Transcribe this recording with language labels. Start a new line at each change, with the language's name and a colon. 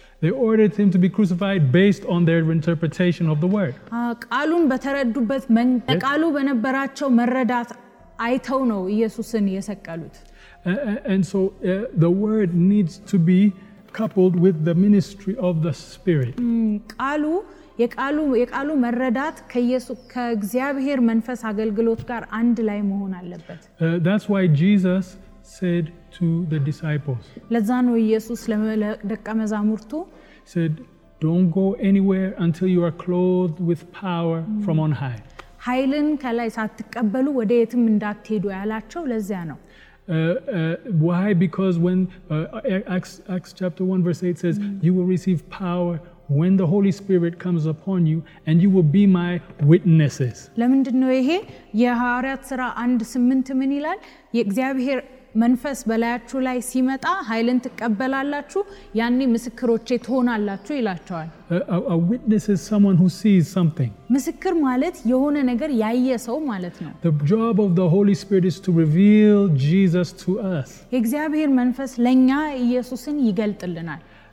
English: They ordered him to be crucified based on their interpretation of the word.
Amharic: ቃሉን በተረዱበት መንገድ ቃሉ በነበራቸው መረዳት አይተው ነው ኢየሱስን የሰቀሉት.
English: And so the word needs to be coupled with the ministry of the spirit.
Amharic: የቃሉ መረዳት ከኢየሱስ ከእግዚአብሔር መንፈስ አገልግሎት ጋር አንድ ላይ መሆን አለበት.
English: That's why Jesus said to the disciples.
Amharic: ለዛን ወይ ኢየሱስ ለደቀ መዛሙርቱ
English: said don't go anywhere until you are clothed with power from on high.
Amharic: ኃይልን ከላይ ሳትቀበሉ ወደ የትም እንዳትሄዱ ያላቸው ለዚያ ነው.
English: Why because when Acts chapter 1 verse 8 says you will receive power when the Holy Spirit comes upon you, and you will be my witnesses.
Amharic: ለምንድነው ይሄ? የሐዋርያት ሥራ 1:8 ምን ይላል? የእግዚአብሔር መንፈስ በላያችሁ ላይ ሲመጣ ኃይልን ተቀበላላችሁ ያኔ ምስክሮቼ ትሆናላችሁ ይላቸዋል።
English: A witness is someone who sees something.
Amharic: ምስክር ማለት የሆነ ነገር ያየ ሰው ማለት ነው።
English: The job of the Holy Spirit is to reveal Jesus to us.
Amharic: የእግዚአብሔር መንፈስ ለኛ ኢየሱስን ይገልጥልናል።